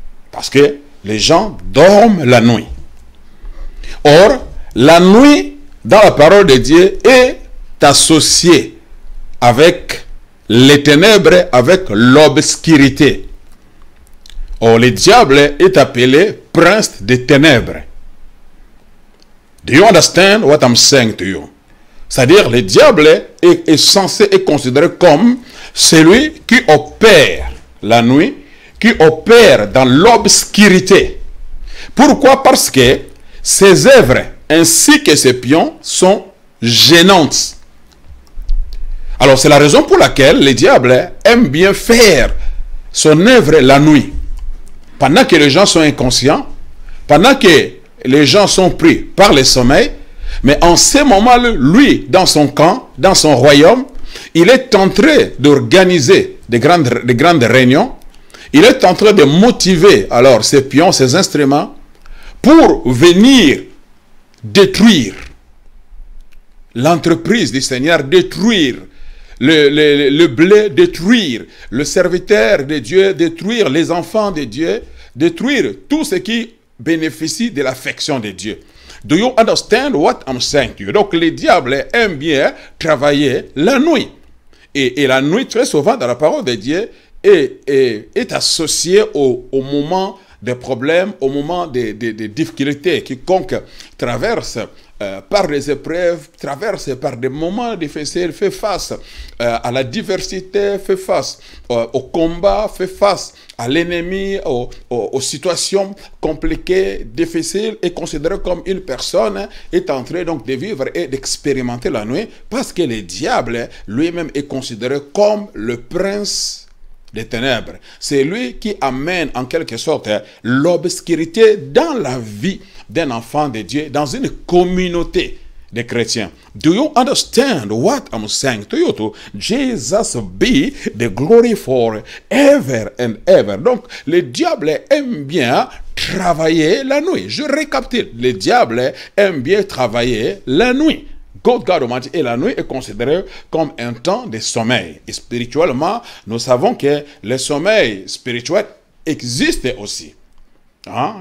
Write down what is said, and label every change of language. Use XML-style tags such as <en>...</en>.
<fr>Parce que les gens dorment la nuit. Or, la nuit, dans la parole de Dieu, est associé avec les ténèbres, avec l'obscurité. Or, le diable est appelé prince des ténèbres.</fr> <en>Do you understand what I'm saying to you?</en> <fr>C'est-à-dire, le diable est censé être considéré comme celui qui opère la nuit, qui opère dans l'obscurité. Pourquoi? Parce que ses œuvres ainsi que ses pions sont gênantes. Alors, c'est la raison pour laquelle le diable aime bien faire son œuvre la nuit. Pendant que les gens sont inconscients, pendant que les gens sont pris par le sommeil, mais en ce moment-là, lui, dans son camp, dans son royaume, il est en train d'organiser des grandes réunions. Il est en train de motiver alors ses pions, ses instruments, pour venir détruire l'entreprise du Seigneur, détruire le blé, détruire le serviteur de Dieu, détruire les enfants de Dieu, détruire tout ce qui bénéficie de l'affection de Dieu.</fr> <en>Do you understand what I'm saying to you?</en> <fr>Donc, les diables aiment bien travailler la nuit. Et la nuit, très souvent, dans la parole de Dieu, est associée au moment des problèmes, au moment des difficultés. Quiconque traverse par des épreuves, traverse par des moments difficiles, fait face à la diversité, fait face au combat, fait face à l'ennemi, aux situations compliquées, difficiles, et considéré comme une personne est en train donc de vivre et d'expérimenter la nuit, parce que le diable lui-même est considéré comme le prince des ténèbres. C'est lui qui amène en quelque sorte l'obscurité dans la vie d'un enfant de Dieu, dans une communauté de chrétiens.</fr> <en>Do you understand what I'm saying to you? Jesus be the glory for ever and ever.</en> <fr>Donc, le diable aime bien travailler la nuit. Je récapitule. Le diable aime bien travailler la nuit.</fr> <en>God Almighty.</en> <fr>Et la nuit est considérée comme un temps de sommeil. Et spirituellement, nous savons que le sommeil spirituel existe aussi. Hein?</fr>